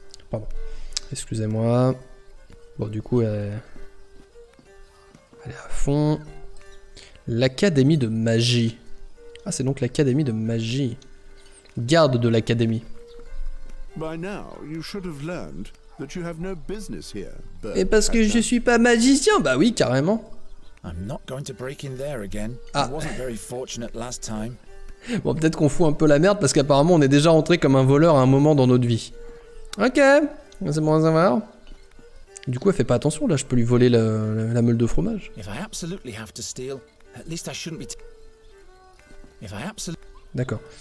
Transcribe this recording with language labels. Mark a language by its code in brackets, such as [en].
[fr] Pardon. Excusez-moi. Bon, du coup, elle est à fond. L'Académie de Magie. Ah, c'est donc l'Académie de Magie. Garde de l'Académie. [en] By now, you should have learned... That you have no business here, Bert. [fr] Et parce que je suis pas magicien, bah oui, carrément. [en] I'm not going to break in there again. Ah. I wasn't very fortunate last time. [fr] Bon, peut-être qu'on fout un peu la merde parce qu'apparemment on est déjà entré comme un voleur à un moment dans notre vie. Ok, c'est bon à savoir. Du coup, elle fait pas attention là, je peux lui voler la meule de fromage. D'accord.